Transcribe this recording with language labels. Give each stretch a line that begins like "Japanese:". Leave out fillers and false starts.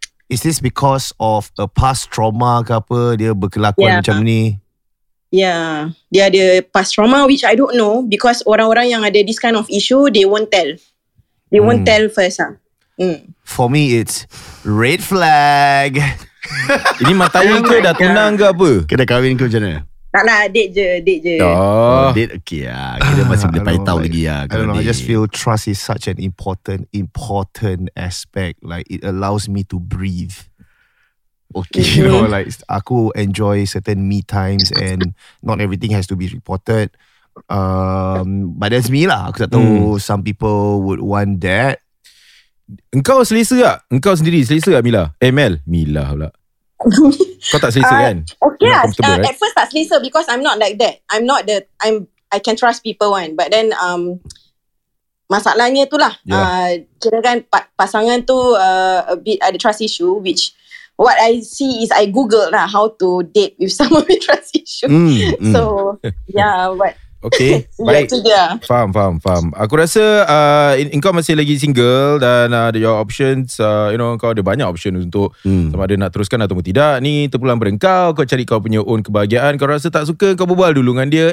English: Is this because of a past trauma
Malay: ke apa dia berkelakuan macam ni?
English: Yeah,
Malay: dia ada
English: past trauma, which I don't know, because
Malay: orang-orang yang ada
English: this kind of issue, they won't tell first. For me, it's red flag.
Malay: Ini matanya ke dah tunang ke apa? Kena kahwin ke macam mana? Taklah, date je. Date, okay lah. Kita masih boleh paitau lagi lah.
English: I don't know, I just feel trust is such an important aspect. Like, it allows me to breathe. Okay. You know, like, aku enjoy certain me times and not everything has to be reported. But that's me lah.
Malay: Aku tak tahu
English: some people would want that.
Malay: Engkau selesa tak? Engkau sendiri selesa tak, Mila? Mila pula. Kau tak selesa kan? Okay lah.
English: At first
Malay: tak selesa
English: because I'm not like that. I can trust people kan. But then,
Malay: masalahnya tu lah. Kirakan pasangan tu
English: a bit ada trust issue, which what I see is I Google lah how to date with someone with trust issue. So, yeah, but...
Malay: Okay, baik. Faham. Aku rasa engkau masih lagi single dan
English: your options,
Malay: kau ada banyak option untuk sama ada nak teruskan atau tidak. Ni terpulang pada engkau, kau cari kau punya own kebahagiaan. Kau rasa tak suka, kau berbual dulu dengan dia.